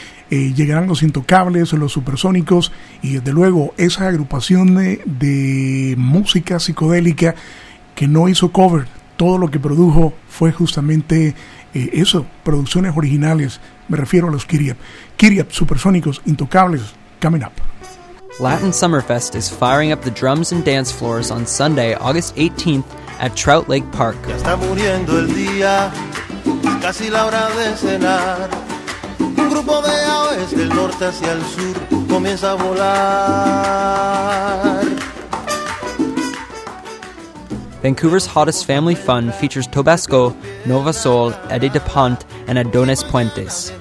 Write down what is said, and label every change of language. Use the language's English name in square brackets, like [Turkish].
[Spanish] Llegarán los Intocables, los Supersónicos y desde luego esa agrupación de música psicodélica que no hizo cover. Todo lo que produjo fue justamente eso, producciones originales. Me refiero a los Kiriap. Kiriap, Supersónicos, Intocables, Coming Up. [English] Latin Summerfest is firing up the drums and dance floors on Sunday, August 18th at Trout Lake Park. [Spanish] Ya está muriendo el día, casi la hora de cenar. Un grupo de aves del norte hacia el sur comienza a volar. [English] Vancouver's hottest family fun features Tobasco, Nova Soul, Eddie DePont, and Adonis Puentes.